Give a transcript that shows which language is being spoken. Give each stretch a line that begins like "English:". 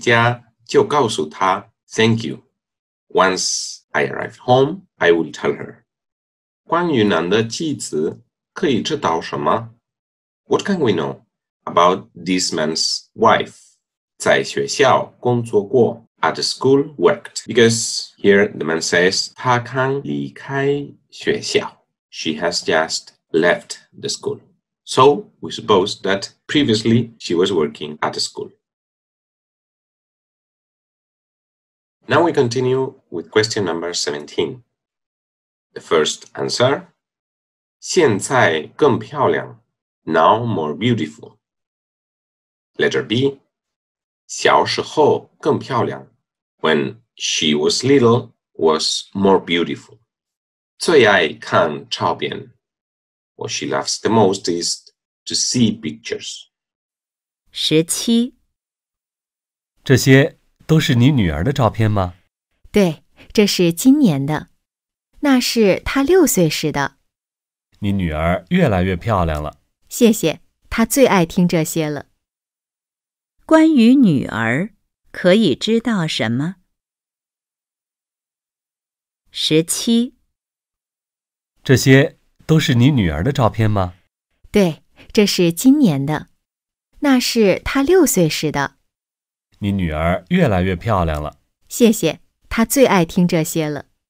Chinese: 谢谢你,我回家就告诉她.
English: Thank you. Once I arrive home, I will tell her.
Chinese: 关于男的妻子可以知道什么?
English: What can we know about this man's wife?
Chinese: 在学校工作过,
English: at school worked. Because here the man says,
Chinese: 她刚离开学校,
English: she has just left the school. So we suppose that previously she was working at school. Now we continue with question number 17. The first answer,
Chinese: 现在更漂亮,
English: now more beautiful. Letter B,
Chinese: 小时候更漂亮,
English: when she was little, was more beautiful.
Chinese: 最爱看照片,
English: what she loves the most is to see pictures. 17.
Chinese: 这些都是你女儿的照片吗? 对,这是今年的。那是他六岁时的。你女儿越来越漂亮了。谢谢,她最爱听这些了。关于女儿,可以知道什么?17。这些都是你女儿的照片吗?对,这是今年的。那是她六岁时的。你女儿越来越漂亮了。谢谢,她最爱听这些了。